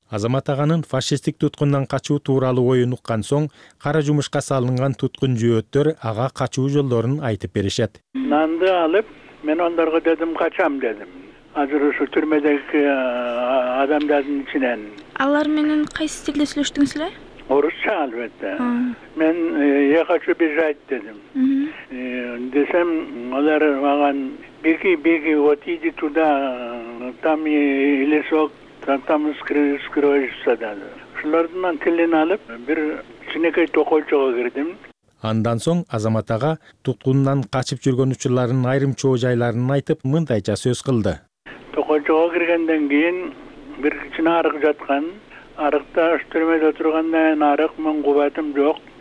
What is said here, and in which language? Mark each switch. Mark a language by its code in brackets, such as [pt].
[ky] Азамат аганын фашисттик туткундан качуу тууралуу оюн уккан соң, кара жумушка салынган туткун жөөттөр ага качуу жолдорун айтып беришет. Нанды алып, мен ондорго дедим качам дедим. Азыр ушу түрмөдөгү адамдардын ичинен. Алар менен кайсы тилде сүйлөштүңүз эле? Орусча албетте. Мен [ru] я хочу бежать [ky] дедим. Десем алар мага [ru] беги, вот иди туда, там лесок, там скроешься [ky] дали. Ошолордун тилин алып бир кичинекей токойчого кирдим. Андан соң Азамат ага туткундан качып жүргөн учурларынын айрым чоо жайларын айтып мындайча сөз кылды. Токойчого киргенден кийин бир кичине арык жаткан. Арыкта түрмөдө отургандан кийин арык мен кубатым жок.